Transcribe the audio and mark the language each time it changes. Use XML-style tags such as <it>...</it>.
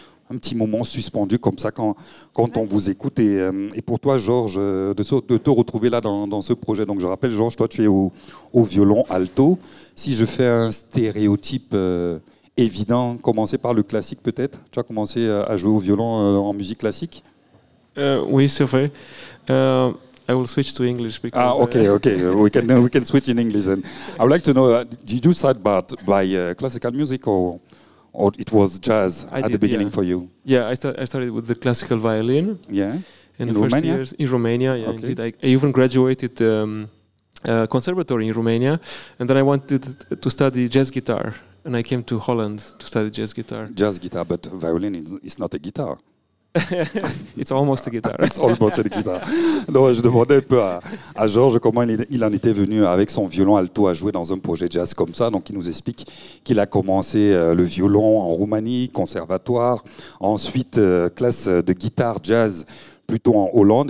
<fr>Un petit moment suspendu comme ça quand on vous écoute. Et pour toi, Georges, de te retrouver là dans ce projet. Donc je rappelle, Georges, toi, tu es au violon alto. Si je fais un stéréotype évident, commencer par le classique peut-être. Tu as commencé à jouer au violon en musique classique? Oui, c'est vrai.</fr> <en>I will switch to English. Because we can switch in English then. I would like to know, did you start by classical music or it was jazz for you? Yeah, I started with the classical violin. Yeah, in the Romania? First years in Romania. Yeah, okay. Indeed. I even graduated conservatory in Romania, and then I wanted to study jazz guitar, and I came to Holland to study jazz guitar. Jazz guitar, but violin is not a guitar. It's almost a guitar. It's almost a guitar.</en> <fr>Non, je demandais un peu à Georges comment il en était venu avec son violon alto à jouer dans un projet jazz comme ça. Donc, il nous explique qu'il a commencé le violon en Roumanie, conservatoire, ensuite classe de guitare jazz plutôt en Hollande.</fr>